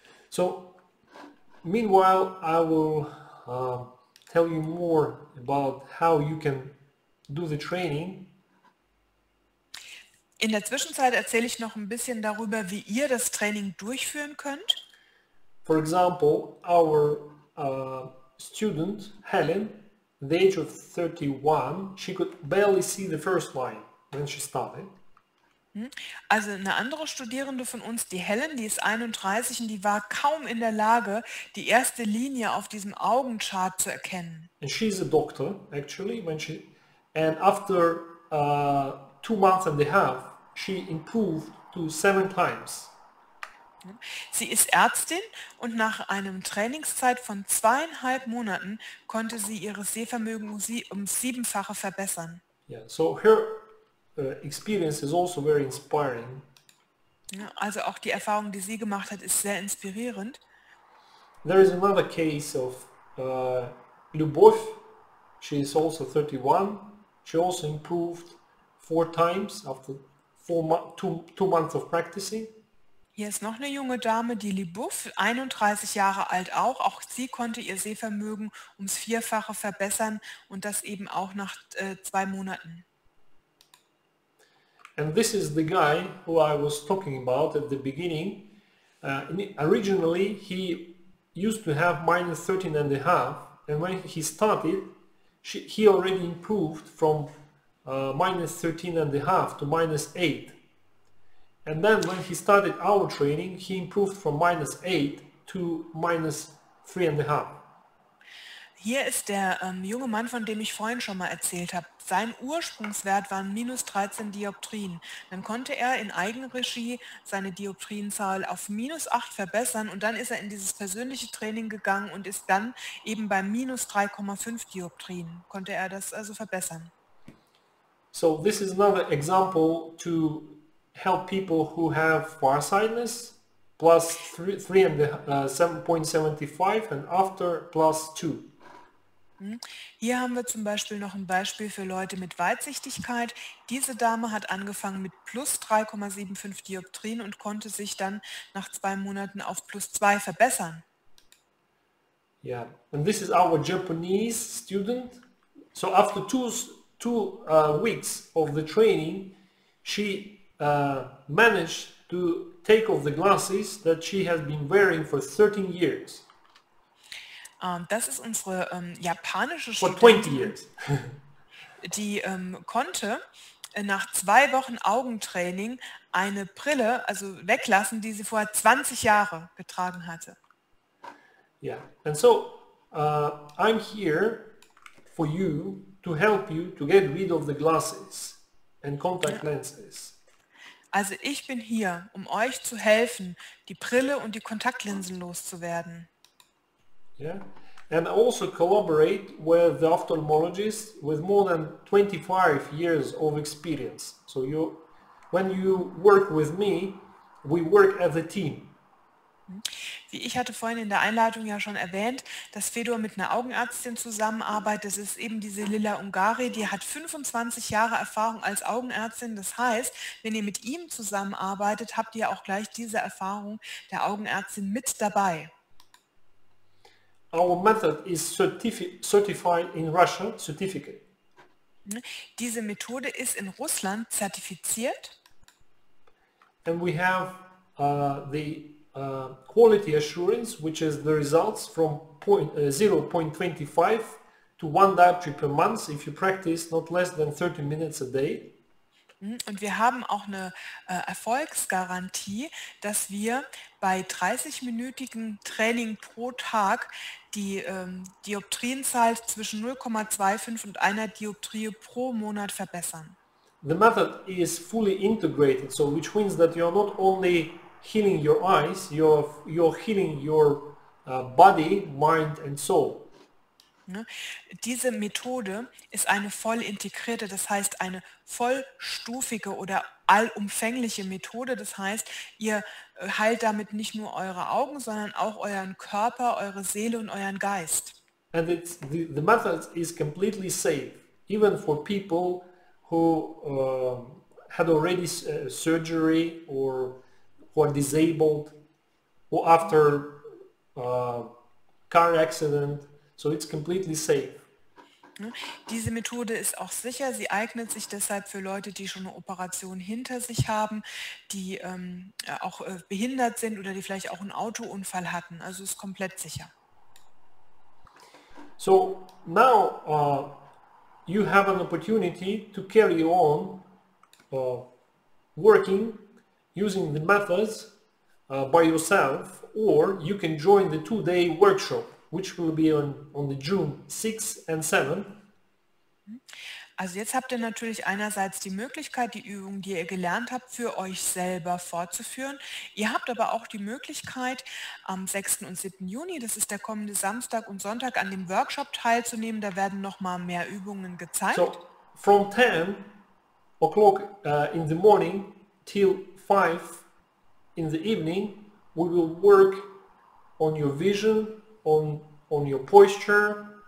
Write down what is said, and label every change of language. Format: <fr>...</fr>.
<en>So, meanwhile, I will tell you more about how you can do the training.</en> <de>In der Zwischenzeit erzähle ich noch ein bisschen darüber, wie ihr das Training durchführen könnt.</de> <en>For example, our student, Helen, the age of 31, she could barely see the first line when she started.</en> <de>Also eine andere Studierende von uns, die Helen, die ist 31 und die war kaum in der Lage, die erste Linie auf diesem Augenchart zu erkennen.</de> <en>And she's a doctor, actually, when she, and after 2.5 months, she improved to 7 times.</en> <de>Sie ist Ärztin und nach einem Trainingszeit von 2.5 Monaten konnte sie ihre Sehvermögen um 7-fache verbessern.</de> <en>Yeah, so her experience is also very inspiring.</en> <de>Also auch die Erfahrung, die sie gemacht hat, ist sehr inspirierend.</de> <en>There is another case of Lubov. She is also 31. She also improved 4 times after 2 months of practicing.</en> <de>Hier ist noch eine junge Dame, die Libouf, 31 Jahre alt auch. Auch sie konnte ihr Sehvermögen ums 4-fache verbessern und das eben auch nach 2 Monaten.</de> <en>And this is the guy who I was talking about at the beginning. Originally he used to have minus 13.5 and when he started, he already improved from minus 13.5 to minus 8. And then when he started our training, he improved from minus 8 to minus 3.5.</en> <de>Hier ist der junge Mann, von dem ich vorhin schon mal erzählt habe. Sein Ursprungswert waren minus 13 Dioptrien. Dann konnte er in Eigenregie seine Dioptrienzahl auf minus 8 verbessern und dann ist er in dieses persönliche Training gegangen und ist dann eben bei minus 3,5 Dioptrien. Konnte er das also verbessern.</de> <en>So this is another example to help people who have farsightedness plus 7.75 and after plus 2.</en> <de>Hier haben wir zum Beispiel noch ein Beispiel für Leute mit Weitsichtigkeit. Diese Dame hat angefangen mit plus 3,75 Dioptrien und konnte sich dann nach 2 Monaten auf plus 2 verbessern.</de> <en>Yeah, and this is our Japanese student. So after two weeks of the training, she managed to take off the glasses that she has been wearing for 13 years.</en> <de>Das ist unsere japanische Studentin.</de> <en>For 20 years.</en> <de>Die konnte nach 2 Wochen Augentraining eine Brille, also weglassen, die sie vor 20 Jahre getragen hatte.</de> <en>Yeah, and so I'm here for you to help you to get rid of the glasses and contact lenses.</en> <de>Also ich bin hier, um euch zu helfen, die Brille und die Kontaktlinsen loszuwerden.</de> <en>Yeah. And I also collaborate with the ophthalmologist with more than 25 years of experience. So you, when you work with me, we work as a team.</en> <de>Wie ich hatte vorhin in der Einleitung ja schon erwähnt, dass Fedor mit einer Augenärztin zusammenarbeitet, das ist eben diese Lila Ungari, die hat 25 Jahre Erfahrung als Augenärztin. Das heißt, wenn ihr mit ihm zusammenarbeitet, habt ihr auch gleich diese Erfahrung der Augenärztin mit dabei.</de> <en>Our method is certified in Russia, certificate.</en> <de>Diese Methode ist in Russland zertifiziert.</de> <en>And we have the quality assurance, which is the results from 0.25 to 1 dioptrien per month if you practice not less than 30 minutes a day.</en> <de>Und wir haben auch eine Erfolgsgarantie, dass wir bei 30-minütigem Training pro Tag die Dioptrienzahl zwischen 0,25 und einer Dioptrie pro Monat verbessern.</de> <en>The method is fully integrated, so which means that you are not only healing your eyes, you're healing your body, mind and soul.</en> <de>Diese Methode ist eine voll integrierte, das heißt eine vollstufige oder allumfängliche Methode. Das heißt, ihr heilt damit nicht nur eure Augen, sondern auch euren Körper, eure Seele und euren Geist.</de> <en>And it's, the method is completely safe, even for people who had already surgery or who are disabled or after car accident. So it's completely safe.</en> <de>Diese Methode ist auch sicher. Sie eignet sich deshalb für Leute, die schon eine Operation hinter sich haben, die auch behindert sind oder die vielleicht auch einen Autounfall hatten. Also ist komplett sicher.</de> <en>So now you have an opportunity to carry on working using the methods by yourself, or you can join the 2-day workshop, which will be on the June 6 and 7.</en> <de>Also jetzt habt ihr natürlich einerseits die Möglichkeit, die Übungen, die ihr gelernt habt, für euch selber fortzuführen. Ihr habt aber auch die Möglichkeit, am 6. und 7. Juni, das ist der kommende Samstag und Sonntag, an dem Workshop teilzunehmen. Da werden noch mal mehr Übungen gezeigt.</de> <en>So, from 10 o'clock in the morning till 5 in the evening, we will work on your vision, on your posture.</en>